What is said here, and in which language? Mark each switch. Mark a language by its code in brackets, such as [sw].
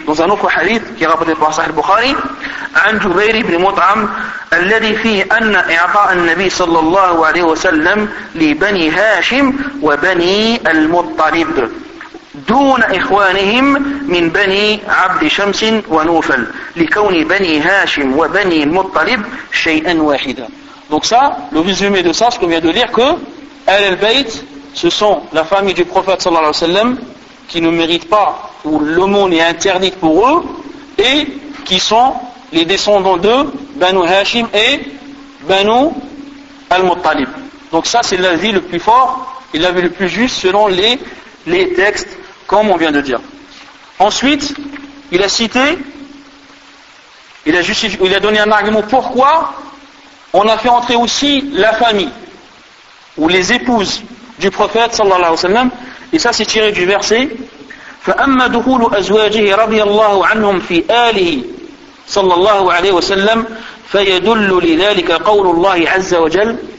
[fr] Dans un autre hadith qui est rapporté par Sahih al-Bukhari, an Jubayr ibn Mut'am, [ar] الذي فيه أن إعطاء النبي صلى الله عليه وسلم لبني هاشم وبني المطلب دون إخوانهم من بني عبد شمس ونوفل لكون بني هاشم وبني المطلب شيئا واحدا. [fr] Donc ça, le résumé de ça, c'est qu'on vient de dire que Ahl al-Bayt, ce sont la famille du prophète صلى الله عليه وسلم qui ne mérite pas, où l'aumône est interdite pour eux, et qui sont les descendants d'eux, Banu Hashim et Banu Al-Muttalib. Donc ça, c'est l'avis le plus fort et l'avis le plus juste selon les textes, comme on vient de dire. Ensuite, il a cité, il a donné un argument pourquoi on a fait entrer aussi la famille ou les épouses du prophète sallallahu alayhi wa sallam, et ça c'est tiré du verset [ar] فَأَمَّا دُخُولُ أَزْوَاجِهِ رَضِيَ اللَّهُ عَنْهُمْ فِي آلِهِ صَلَّى اللَّهُ عَلَيْهِ وَسَلَّمْ فَيَدُلُّ لِذَلِكَ قَوْلُ اللَّهِ عَزَّ وَجَلْ